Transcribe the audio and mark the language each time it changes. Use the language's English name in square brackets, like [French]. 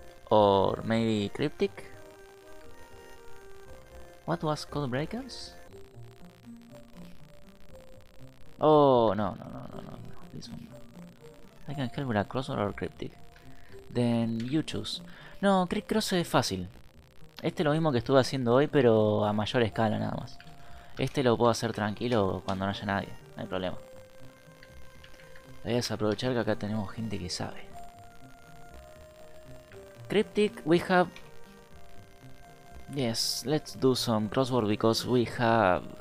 [English] Or maybe cryptic? What was Codebreakers? Oh, no, no, no, no, no, no. This one. I can help with a crossword or cryptic. Then you choose. [Spanish] No, cross es fácil. Este es lo mismo que estuve haciendo hoy, pero a mayor escala nada más. Este lo puedo hacer tranquilo cuando no haya nadie. No hay problema. Debes aprovechar que acá tenemos gente que sabe. [English] Cryptic, we have... Yes, let's do some crossword because we have...